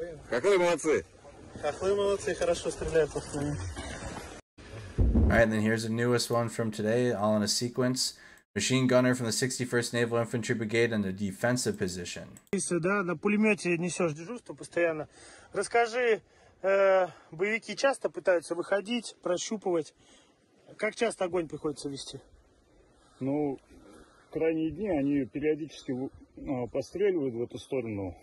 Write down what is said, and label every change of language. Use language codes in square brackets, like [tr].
[ru] Хохлы молодцы. Хохлы молодцы, хорошо стреляют пацаны. [en] All right, then here's the newest one from today, all in a sequence. Machine gunner from the 61st Naval Infantry Brigade in the defensive position. [ru] Если да, на пулемете несешь дежурство постоянно. Расскажи, боевики часто пытаются выходить, прощупывать. Как часто огонь приходится вести? Ну, крайние дни они периодически постреливают в эту сторону.